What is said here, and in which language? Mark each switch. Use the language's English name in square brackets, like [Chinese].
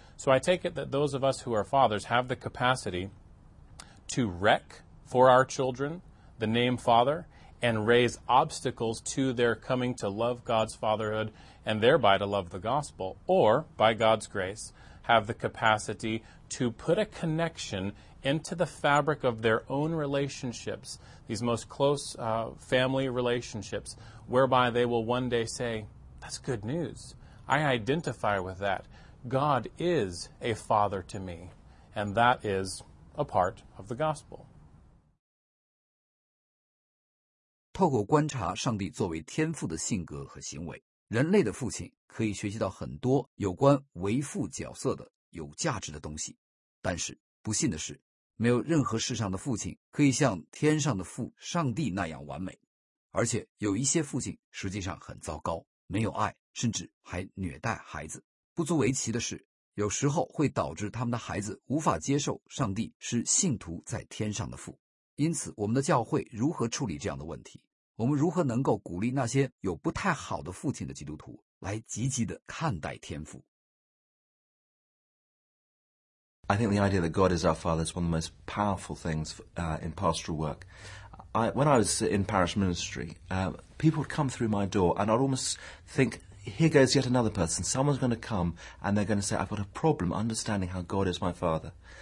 [English] So I take it that those of us who are fathers have the capacity to wreck for our children the name father and raise obstacles to their coming to love God's fatherhood and thereby to love the gospel, or by God's grace, have the capacity to put a connection into the fabric of their own relationships, these most close family relationships, whereby they will one day say, that's good news. I identify with that. God is a father to me, and that is a part of the gospel. [Chinese] 透过观察上帝作为天父的性格和行为，人类的父亲可以学习到很多有关为父角色的有价值的东西。但是不幸的是， 没有任何世上的父亲可以像天上的父上帝那样完美，而且有一些父亲实际上很糟糕，没有爱，甚至还虐待孩子。不足为奇的是，有时候会导致他们的孩子无法接受上帝是信徒在天上的父。因此，我们的教会如何处理这样的问题？我们如何能够鼓励那些有不太好的父亲的基督徒来积极地看待天父？ [English] I think the idea that God is our Father is one of the most powerful things in pastoral work. When I was in parish ministry, people would come through my door and I'd almost think, here goes yet another person. Someone's going to come and they're going to say, I've got a problem understanding how God is my Father.